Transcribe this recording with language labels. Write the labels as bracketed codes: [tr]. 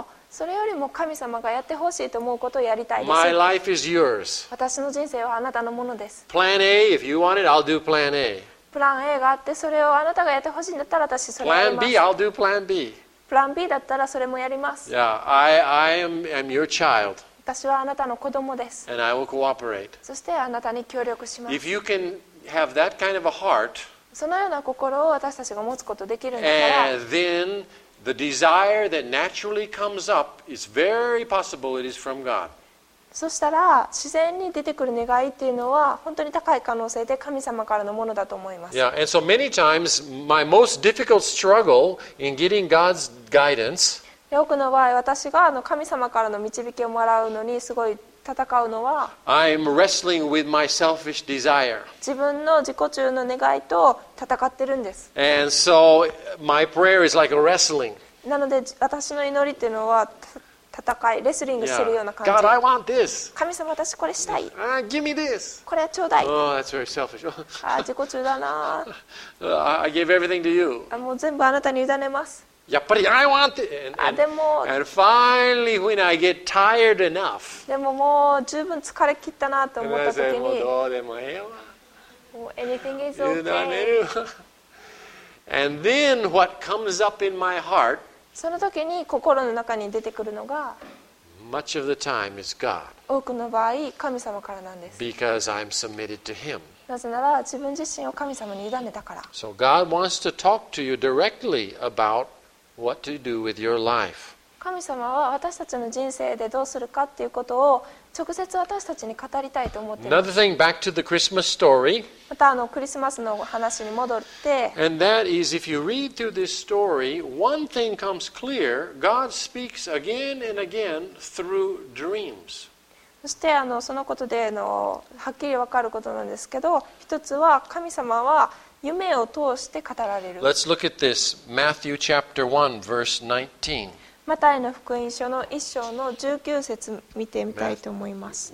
[ja] それよりも神様がやってほしいと思うことをやりたいです。 [en] My life is yours. [ja] 私の人生はあなたのものです。 [en] Plan A, if you want it, I'll do Plan A. [ja] プラン A があって、それをあなたがやってほしいんだったら私それをやります。 [en] Plan B, I'll do Plan B. [ja] プラン B だったらそれもやります。 [en] Yeah, I am your child. [ja] 私はあなたの子供です。 [en] And I will cooperate. [ja] そしてあなたに協力します。 [en] If you can have that kind of a heart, [ja] そのような心を私たちが持つことができるなら、 [en] and then the desire that naturally comes up is very possible it is from God. [ja] そしたら自然に出てくる願いっていうのは本当に高い可能性で神様からのものだと思います。 [en] Yeah, and so many times my most difficult struggle in getting God's guidance. [ja] 多くの場合私が神様からの導きをもらうのにすごい戦うのは、 [en] I'm wrestling with my selfish desire. [ja] 自分の自己中の願いと戦ってるんです。 [en] And so my prayer is like a wrestling. [ja] なので私の祈りっていうのは戦い、レスリングしてるような感じ。 [en] Yeah. God, I want this. [ja] 神様、私これしたい。 [en] Give me this. [ja] これちょうだい。 [en] Oh, that's very selfish. [ja] 自己中だな。 [en] I give everything to you. [ja] もう全部あなたに委ねます。やっぱり [en] I want it. And finally, when I get tired enough, [ja] でももう十分疲れ切ったなと思った時に、もうどうでもええわ。 [en] Anything is okay. [ja] 委ねる。 [en] And then what comes up in my heart, [ja] その時に心の中に出てくるのが、 [en] much of the time is God. [ja] 多くの場合、神様からなんです。 [en] Because I'm submitted to Him. [ja] なぜなら自分自身を神様に委ねたから。 [en] So God wants to talk to you directly about what to do with your life. [ja] 神様は私たちの人生でどうするかっていうことを直接私たちに語りたいと思っています。 [en] Another thing, back to the Christmas story. [ja] またクリスマスの話に戻って。 [en] And that is, if you read through this story, one thing comes clear: God speaks again and again through dreams. [ja] そしてそのことではっきり分かることなんですけど、一つは神様は夢を通して語られる。 [en] Let's look at this. Matthew chapter 1, verse 19. [ja] マタイの福音書の1章の19節見てみたいと思います。